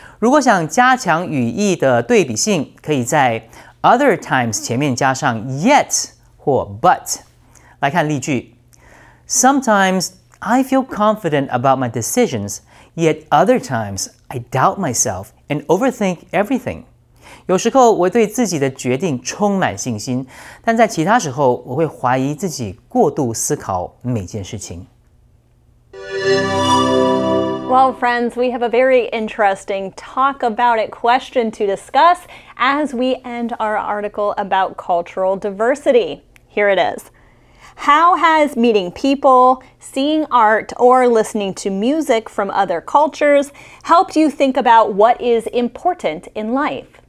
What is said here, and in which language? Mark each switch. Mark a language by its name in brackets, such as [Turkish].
[Chinese] 如果想加强语义的对比性，可以在 [English] other times [Chinese] 前面加上 yet 或 but。来看例句。 [English] Sometimes I feel confident about my decisions, yet other times I doubt myself and overthink everything. [Chinese] 有时候我对自己的决定充满信心，但在其他时候我会怀疑自己过度思考每件事情。 [English] Well, friends, we have a very interesting talk about it question to discuss as we end our article about cultural diversity. Here it is. How has meeting people, seeing art, or listening to music from other cultures helped you think about what is important in life?